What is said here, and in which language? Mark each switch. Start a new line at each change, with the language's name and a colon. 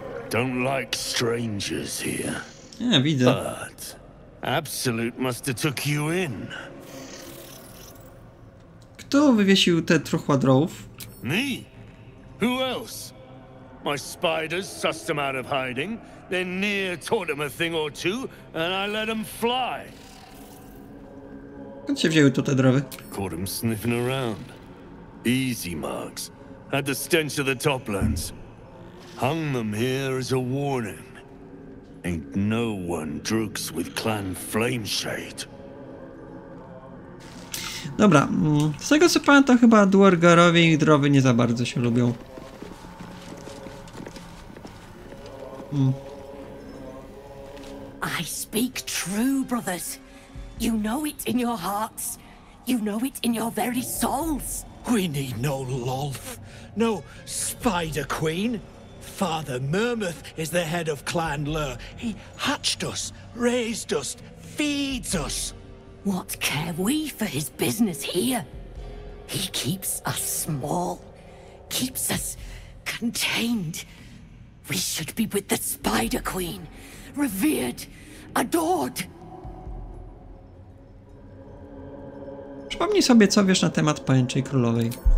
English: Don't like strangers here. Yeah,
Polish: widzę.
English: But Absolute must have took you in.
Polish: Kto wywiesił te truchła drołów?
English: Me? Who else? My spiders sussed them out of hiding. Then Nier taught them a thing or two, and I let them fly.
Polish: Kto się wzięły tu te drowy?
English: Caught them sniffing around. Easy marks. Had the stench of the toplands. Hung them here as a warning. Ain't no one drugs with clan Flameshade.
Polish: Dobra, z tego co pamiętam, chyba Dwargarowie i drowy nie za bardzo się lubią.
English: I speak true, brothers. You know it in your hearts. You know it in your very souls. We need no Lolth. No Spider Queen. Father Myrmoth is the head of Clan Lur. He hatched us, raised us, feeds us. What care we for his business here? He keeps us small, keeps us contained. We should be with the Spider Queen, revered, adored.
Polish: Przypomnij sobie, co wiesz na temat Pajęczej Królowej.